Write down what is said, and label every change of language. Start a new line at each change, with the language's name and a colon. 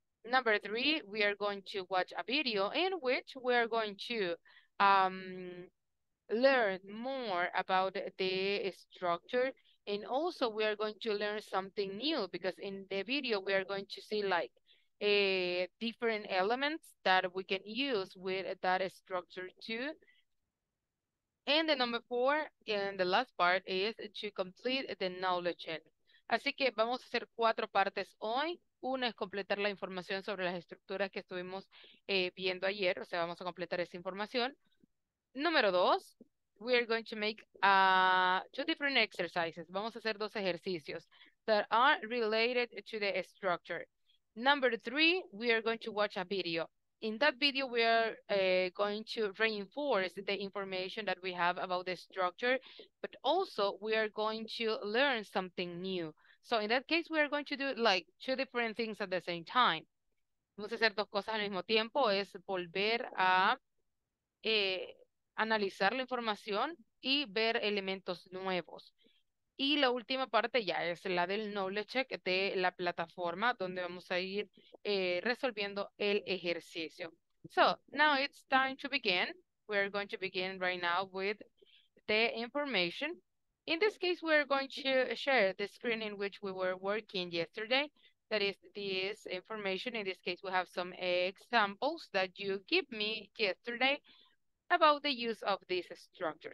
English: Number three, we are going to watch a video in which we are going to learn more about the structure, and also we are going to learn something new, because in the video we are going to see like a different elements that we can use with that structure too. And the number four and the last part is to complete the knowledge check.
Spanish: Así que vamos a hacer cuatro partes hoy. Una es completar la información sobre las estructuras que estuvimos viendo ayer, o sea, vamos a completar esa información. Número dos,
English: we are going to make two different exercises.
Spanish: Vamos a hacer dos ejercicios
English: that are related to the structure. Number three, we are going to watch a video. In that video, we are going to reinforce the information that we have about the structure, but also we are going to learn something new. So in that case, we are going to do like two different things at the same time.
Spanish: Vamos a hacer dos cosas al mismo tiempo, es volver a analizar la información y ver elementos nuevos. Y la última parte ya es la del knowledge check de la plataforma, donde vamos a ir resolviendo el ejercicio.
English: So, now it's time to begin. We're going to begin right now with the information. In this case, we're going to share the screen in which we were working yesterday. That is this information. In this case, we have some examples that you give me yesterday about the use of this structure.